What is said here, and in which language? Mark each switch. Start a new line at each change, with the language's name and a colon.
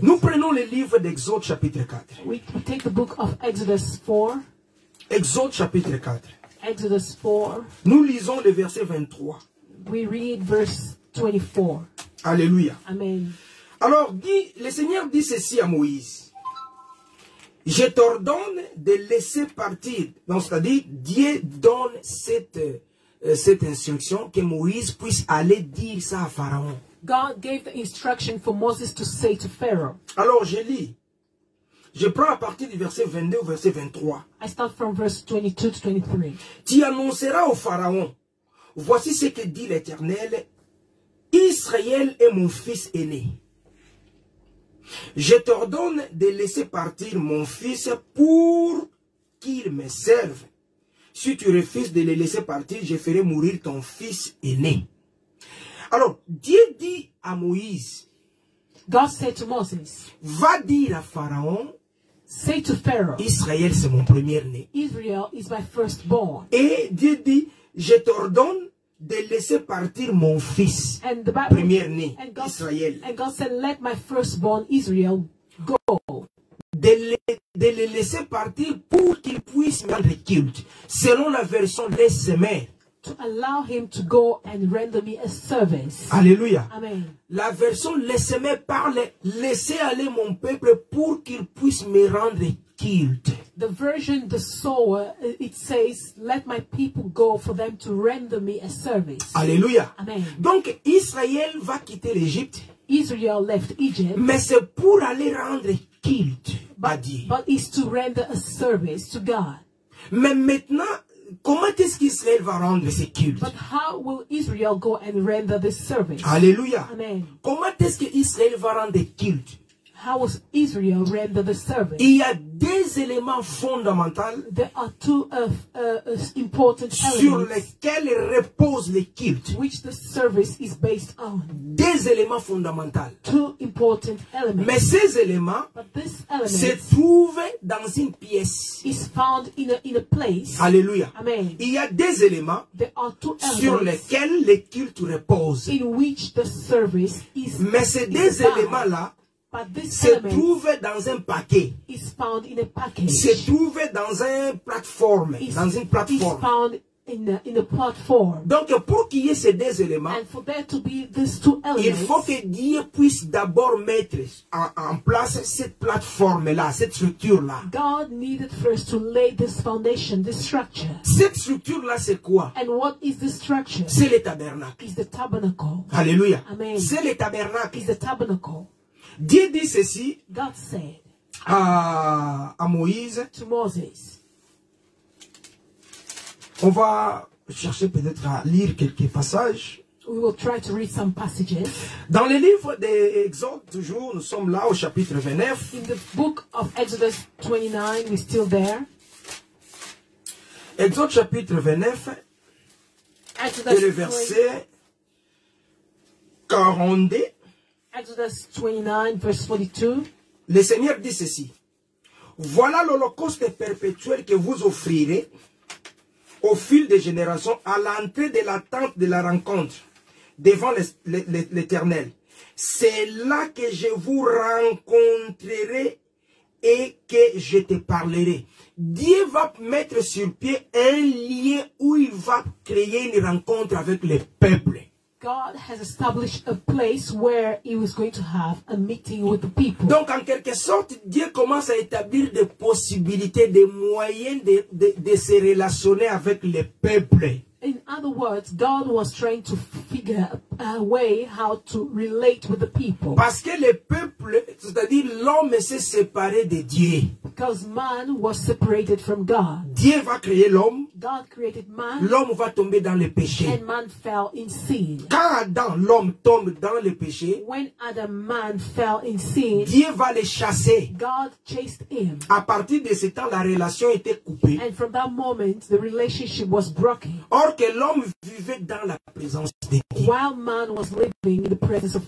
French: Nous prenons le livre d'Exode chapitre 4.
English: We take the book of Exodus 4.
French: Exode chapitre 4.
English: Exodus 4.
French: Nous lisons le verset 23.
English: We read verse 24. Alléluia. Amen.
French: Alors dit le Seigneur dit ceci à Moïse. Je t'ordonne de laisser partir. Donc, c'est-à-dire, Dieu donne cette instruction que Moïse puisse aller dire ça à Pharaon.
English: God gave the instruction for Moses to say to Pharaoh.
French: Alors, je lis. Je prends à partir du verset 22 au verset 23.
English: I start from verse 22 to 23.
French: Tu annonceras au Pharaon, voici ce que dit l'Éternel, Israël est mon fils aîné. Je t'ordonne de laisser partir mon fils pour qu'il me serve. Si tu refuses de le laisser partir, je ferai mourir ton fils aîné. Alors, Dieu dit à Moïse.
English: God said to Moses.
French: Va dire à Pharaon.
English: Say to Pharaoh.
French: Israël, c'est mon premier-né.
English: Israel is my firstborn.
French: Et Dieu dit, je t'ordonne de laisser partir mon fils, premier-né, Israël.
English: And God said, let my firstborn Israel go.
French: De le laisser partir pour qu'il puisse rendre culte, selon la version des semaines.
English: To allow him to go and render me a service. Alléluia. Amen.
French: La version des semaines parle, laisser aller mon peuple pour qu'il puisse me rendre culte.
English: The version, the sower, it says, let my people go for them to render me a service. Alléluia. Amen.
French: Donc, Israël va quitter l'Égypte.
English: Israel left Egypt.
French: Mais c'est pour aller rendre culte à Dieu.
English: But it's to render a service to God.
French: Mais maintenant, comment est-ce qu'Israël va rendre ce culte?
English: But how will Israel go and render this service? Alléluia. Amen.
French: Comment est-ce qu'Israël va rendre culte?
English: How will Israel render the service?
French: Il y a deux éléments fondamentaux.
English: There are two important elements
French: sur lesquels repose le culte.
English: Which the service is based on.
French: Deux éléments fondamentaux.
English: Two important elements.
French: Mais ces éléments,
English: but this element,
French: se trouvent dans une pièce.
English: Is found in a place. Alléluia. Amen.
French: Il y a deux éléments.
English: There are two elements
French: sur lesquels le culte repose.
English: In which the service is.
French: Mais ces deux éléments là.
English: But this
French: se trouve dans un paquet. Is found in a package. Se trouve dans une plateforme. Dans une plateforme.
English: Is found in a platform.
French: Donc pour qu'il y ait ces deux éléments,
English: and for there to be these two elements,
French: il faut que Dieu puisse d'abord mettre en place cette plateforme là, cette structure là.
English: God needed first to lay this foundation, this structure.
French: Cette structure là c'est quoi?
English: And what is this structure?
French: C'est le tabernacle.
English: Is the tabernacle. Alléluia. Amen.
French: C'est le tabernacle.
English: Is the tabernacle.
French: Dieu dit ceci
English: God said,
French: à Moïse.
English: To Moses.
French: On va chercher peut-être à lire quelques passages.
English: We will try to read some passages.
French: Dans le livre d'Exode, toujours, nous sommes là au chapitre 29.
English: In the book of Exodus 29, we're still there.
French: Exode chapitre 29,
English: Exodus
French: et le verset 42.
English: Exodus 29, verse 42.
French: Le Seigneur dit ceci. Voilà l'holocauste perpétuel que vous offrirez au fil des générations à l'entrée de la tente de la rencontre devant l'Éternel. C'est là que je vous rencontrerai et que je te parlerai. Dieu va mettre sur pied un lien où il va créer une rencontre avec le peuple.
English: God has established a place where he was going to have a meeting with the people.
French: Donc, en quelque sorte, Dieu commence à établir des possibilités, des moyens de se relationner avec le peuple.
English: In other words, God was trying to figure a way how to relate with the people.
French: Parce que le peuple, c'est-à-dire l'homme, s'est séparé de Dieu.
English: Because man was separated from God.
French: Dieu va créer l'homme.
English: God created man.
French: L'homme va tomber dans le péché.
English: And man fell in sin.
French: Quand Adam, l'homme, tombe dans le péché,
English: when Adam, man fell in sin,
French: Dieu va le chasser.
English: God chased him.
French: À partir de ce temps, la relation était coupée.
English: And from that moment, the relationship was broken.
French: Or que l'homme vivait dans la présence de Dieu.
English: While man was living in the presence of God.